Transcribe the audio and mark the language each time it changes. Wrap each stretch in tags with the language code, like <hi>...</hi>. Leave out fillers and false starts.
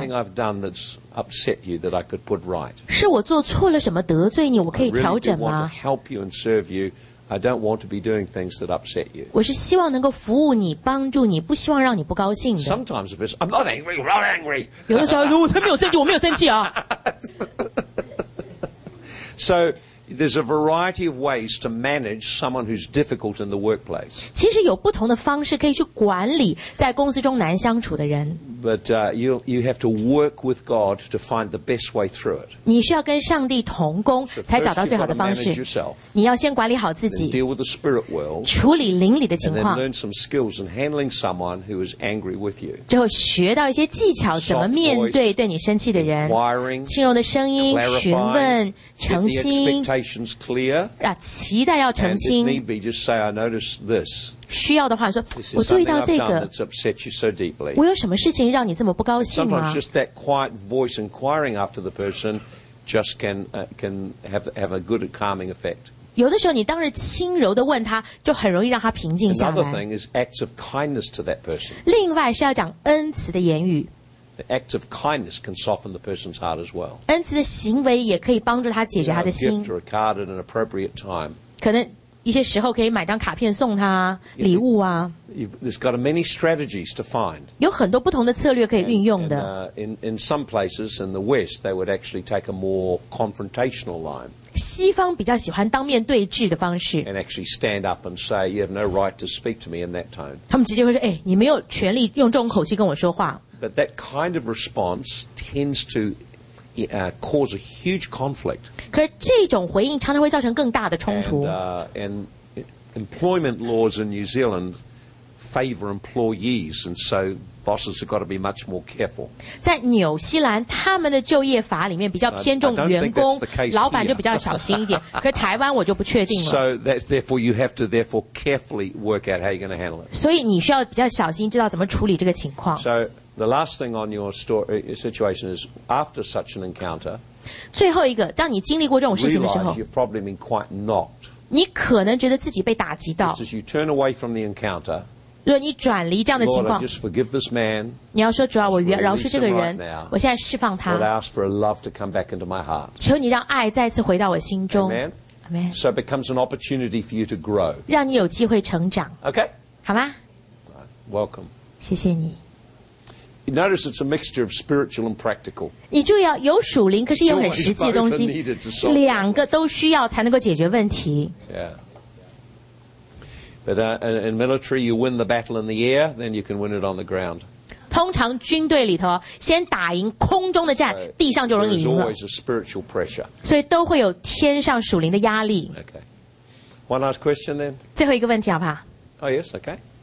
<en>Something I've done that's upset you that I could put right.</en> <zh>是我做错了什么得罪你？我可以调整吗</zh> <en>？I really do want to help you and serve you. I don't want to be doing things that upset you.</en> <zh>我是希望能够服务你、帮助你，不希望让你不高兴的。</zh> <en>Sometimes I'm not angry. I'm not angry.</en> <zh>有的时候，我没有生气，我没有生气啊。</zh> <en>So. There's a variety of ways to manage someone who's difficult in the workplace.</en> <zh>其实有不同的方式可以去管理在公司中难相处的人。</zh> <en>But you have to work with God to find the best way through it.</en> <zh>你需要跟上帝同工才找到最好的方式。</zh> <en>So first you've got to manage yourself.</en> <zh>你要先管理好自己。</zh> <en>Then deal with the spirit world.</en> <zh>处理灵里的情况。</zh> <en>And then learn some skills in handling someone who is angry with you.</en> <zh>之后学到一些技巧怎么面对对你生气的人。</zh> <en>Soft voice, inquiring,</en> <zh>轻柔的声音询问。澄清</zh> <en>the expectations clear,</en> <zh>啊，期待要澄清。</zh> <en>And if need be, just say, I noticed this.</en> <zh>需要的话说，我注意到这个。</zh> <en>It's upset you so deeply.</en> <zh>我有什么事情让你这么不高兴吗</zh> <en>？Sometimes just that quiet voice inquiring after the person just can have a good calming effect.</en> <zh>有的时候你当着轻柔的问他，就很容易让他平静下来。</zh> <en>Another thing is acts of kindness to that person.</en> <zh>另外是要讲恩慈的言语。</zh> <en>The act of kindness can soften the person's heart as well.</en> <zh>恩慈的行为也可以帮助他解决他的心。</zh> <en>A gift or a card at an appropriate time.</en> <zh>可能一些时候可以买张卡片送他礼物啊。</zh> <en>There's got many strategies to find.</en> <zh>有很多不同的策略可以运用的。</zh> <en>In some places in the West, they would actually take a more confrontational line.</en> <zh>西方比较喜欢当面对质的方式。</zh> <en>And actually stand up and say, "You have no right to speak to me in that tone."</en> <zh>他们直接会说，哎，你没有权利用这种口气跟我说话。</zh> <en>But that kind of response tends to cause a huge conflict.</en> <zh>可是这种回应常常会造成更大的冲突。</zh> <en>And employment laws in New Zealand favor employees, and so bosses have got to be much more careful.</en> <zh>在纽西兰，他们的就业法里面比较偏重员工，老板就比较小心一点。可是台湾我就不确定了。</zh> <en>So that therefore you have to therefore carefully work out how you're going to handle it.</en> <zh>所以你需要比较小心，知道怎么处理这个情况。</zh> <en>So,The last thing on your story, situation is after such an encounter.</en> <zh>最后一个，当你经历过这种事情的时候，</zh> <en>realize you've probably been quite knocked.</en> <zh>你可能觉得自己被打击到。</zh> <en>Just as you turn away from the encounter,</en> <zh>如果你转离这样的情况，</zh> <en>Lord, I just forgive this man,</en> <zh>你要说主啊，我饶恕这个人，</zh> <en>right、now,</en> <zh>我现在释放他。</zh> <en>Lord, I ask for a love to come back into my heart.</en> <zh>求你让爱再次回到我心中。</zh> <en>Amen. Amen. So it becomes an opportunity for you to grow.</en> <zh>让你有机会成长。</zh> <en>Okay.</en> <zh>好吗？</zh> <en>Welcome.</en> <zh>谢谢你。</zh> <en>You notice it's a mixture of spiritual and practical.</en> <zh>你注意啊，有属灵，可是有很实际的东西，两个都需要才能够解决问题。</zh> <en>Yeah. But in military, you win the battle in the air, then you can win it on the ground.</en> <zh>通常军队里头，先打赢空中的战，地上就容易赢了。</zh> <en>There's always a spiritual pressure.</en> <zh>所以都会有天上属灵的压力。</zh> <en>Okay. One last question then.</en> <zh>最后一个问题好不好？</zh> <en>Oh yes, okay.</en>